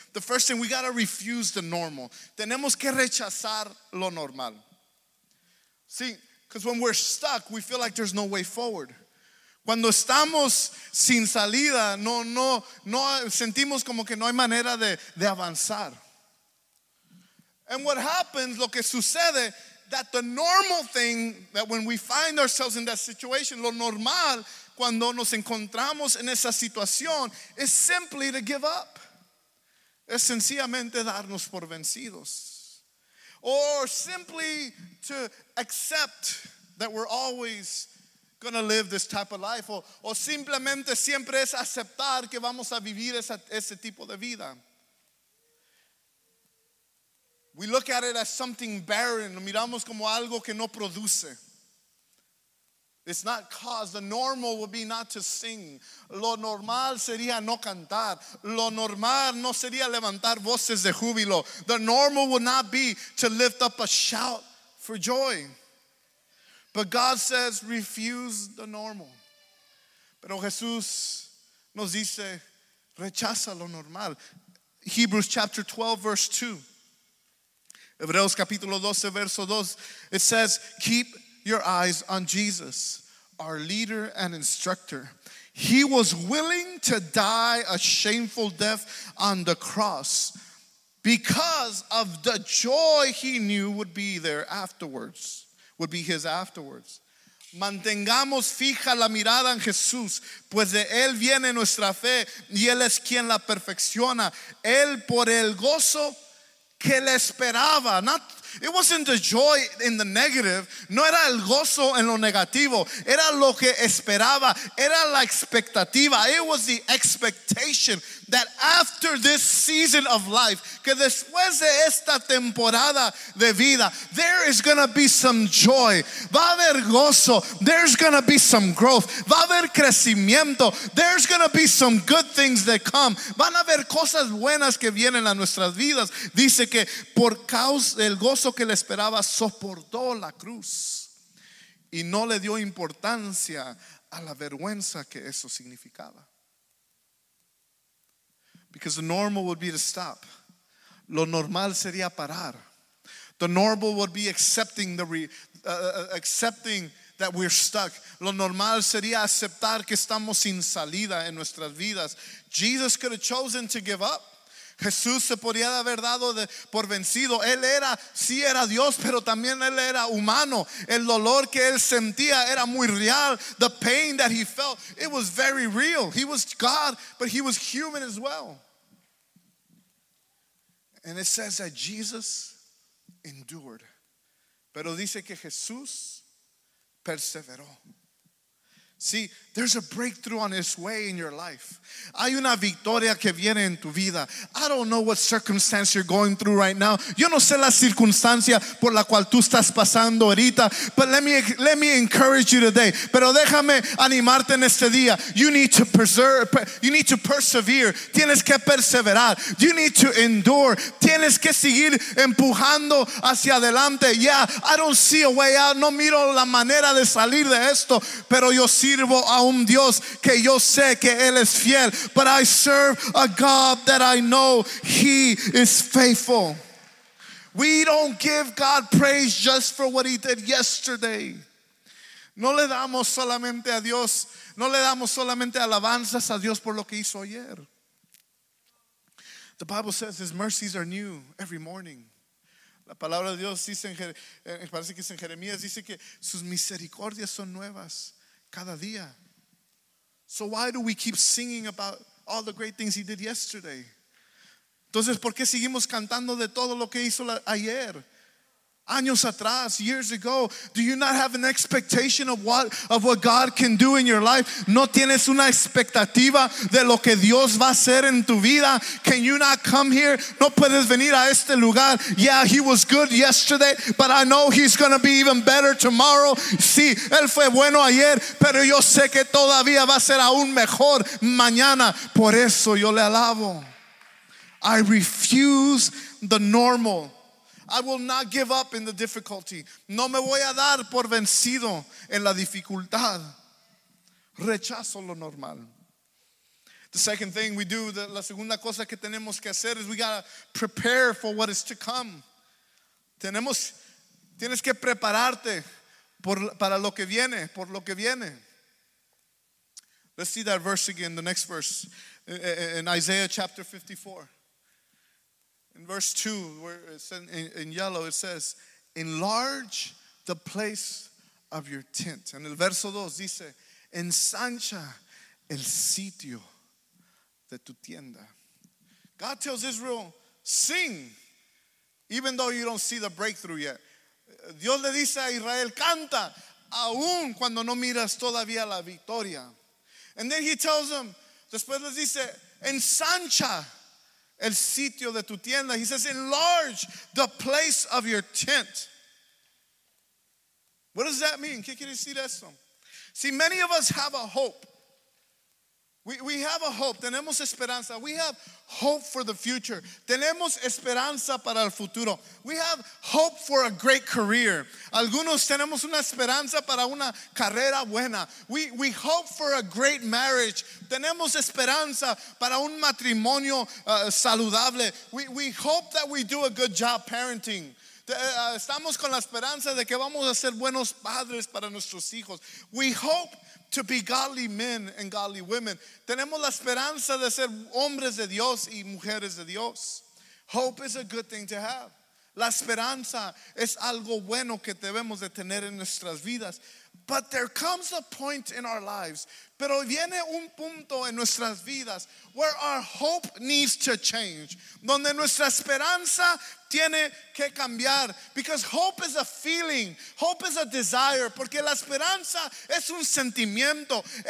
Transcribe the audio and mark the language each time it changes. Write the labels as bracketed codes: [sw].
[en] The first thing, we got to refuse the normal. [es] Tenemos que rechazar lo normal. [en] See, because when we're stuck, we feel like there's no way forward. [es] Cuando estamos sin salida, no sentimos como que no hay manera de avanzar. [en] And what happens, [es] lo que sucede, [en] that the normal thing, that when we find ourselves in that situation, [es] lo normal, cuando nos encontramos en esa situación, [en] is simply to give up. [es] Es sencillamente darnos por vencidos. [en] Or simply to accept that we're always going to live this type of life. [es] O simplemente siempre es aceptar que vamos a vivir ese tipo de vida. [en] We look at it as something barren. [es] Lo miramos como algo que no produce. [en] It's not cause. The normal would be not to sing. [es] Lo normal sería no cantar. Lo normal no sería levantar voces de júbilo. [en] The normal would not be to lift up a shout for joy. But God says, refuse the normal. [es] Pero Jesús nos dice, rechaza lo normal. [en] Hebrews chapter 12, verse 2. [es] Hebreos capítulo 12, verso 2. [en] It says, keep your eyes on Jesus, our leader and instructor. He was willing to die a shameful death on the cross because of the joy he knew would be there afterwards. Would be his afterwards. [es] Mantengamos fija la mirada en Jesús, pues de él viene nuestra fe, y él es quien la perfecciona. Él por el gozo que le esperaba. [en] Not, it wasn't the joy in the negative. [es] No era el gozo en lo negativo. Era lo que esperaba. Era la expectativa. [en] It was the expectation that after this season of life, [es] que después de esta temporada de vida, [en] there is going to be some joy. [es] Va a haber gozo. [en] There's going to be some growth. [es] Va a haber crecimiento. [en] There's going to be some good things that come. [es] Van a haber cosas buenas que vienen a nuestras vidas. Dice que por causa del gozo que le esperaba, soportó la cruz. Y no le dio importancia a la vergüenza que eso significaba. [en] Because the normal would be to stop. [es] Lo normal sería parar. [en] The normal would be accepting accepting that we're stuck. [es] Lo normal sería aceptar que estamos sin salida en nuestras vidas. [en] Jesus could have chosen to give up. [es] Jesús se podría haber dado por vencido. Él era, sí era Dios, pero también él era humano. El dolor que él sentía era muy real. [en] The pain that he felt, it was very real. He was God, but he was human as well. And it says that Jesus endured. [es] Pero dice que Jesús perseveró. [en] See, there's a breakthrough on its way in your life. [es] Hay una victoria que viene en tu vida. [en] I don't know what circumstance you're going through right now. [es] Yo no sé la circunstancia por la cual tú estás pasando ahorita. [en] But let me encourage you today. [es] Pero déjame animarte en este día. [en] You need to persevere. [es] Tienes que perseverar. [en] You need to endure. [es] Tienes que seguir empujando hacia adelante. [en] Yeah, I don't see a way out. [es] No miro la manera de salir de esto. Pero yo sirvo a un Dios que yo sé que él es fiel. [en] But I serve a God that I know he is faithful. We don't give God praise just for what he did yesterday. [es] No le damos solamente a Dios, no le damos solamente alabanzas a Dios por lo que hizo ayer. [en] The Bible says his mercies are new every morning. [es] La palabra de Dios dice, parece que es en Jeremías, dice que sus misericordias son nuevas cada día. [en] So why do we keep singing about all the great things he did yesterday? [es] Entonces, ¿por qué seguimos cantando de todo lo que hizo ayer? Años atrás, [en] years ago. Do you not have an expectation of what God can do in your life? [es] ¿No tienes una expectativa de lo que Dios va a hacer en tu vida? [en] Can you not come here? [es] ¿No puedes venir a este lugar? [en] Yeah, he was good yesterday, but I know he's going to be even better tomorrow. [es] Sí, él fue bueno ayer, pero yo sé que todavía va a ser aún mejor mañana. Por eso yo le alabo. [en] I refuse the normal. I will not give up in the difficulty. [es] No me voy a dar por vencido en la dificultad. Rechazo lo normal. [en] The second thing we do, [es] la segunda cosa que tenemos que hacer [en] is we gotta prepare for what is to come. [es] Tienes que prepararte para lo que viene, por lo que viene. [en] Let's see that verse again, the next verse, in Isaiah chapter 54. In verse 2, where it's in yellow, it says, enlarge the place of your tent. And [es] el verso 2 dice, ensancha el sitio de tu tienda. [en] God tells Israel, sing, even though you don't see the breakthrough yet. [es] Dios le dice a Israel, canta, aun cuando no miras todavía la victoria. [en] And then he tells them, [es] después les dice, ensancha el sitio de tu tienda. [en] He says, enlarge the place of your tent. What does that mean? [es] ¿Qué quiere decir eso? [en] See, many of us have a hope. We have a hope. [es] Tenemos esperanza. [en] We have hope for the future. [es] Tenemos esperanza para el futuro. [en] We have hope for a great career. [es] Algunos tenemos una esperanza para una carrera buena. [en] We hope for a great marriage. [es] Tenemos esperanza para un matrimonio saludable. [en] We hope that we do a good job parenting. [es] Estamos con la esperanza de que vamos a ser buenos padres para nuestros hijos. [en] We hope to be godly men and godly women. [es] Tenemos la esperanza de ser hombres de Dios y mujeres de Dios. [en] Hope is a good thing to have. [es] La esperanza es algo bueno que debemos de tener en nuestras vidas. [en] But there comes a point in our lives. [es] Pero viene un punto en nuestras vidas [en] where our hope needs to change. [es] Donde nuestra esperanza tiene que cambiar. [en] Because hope is a feeling. Hope is a desire. [es] Porque la esperanza es un sentimiento.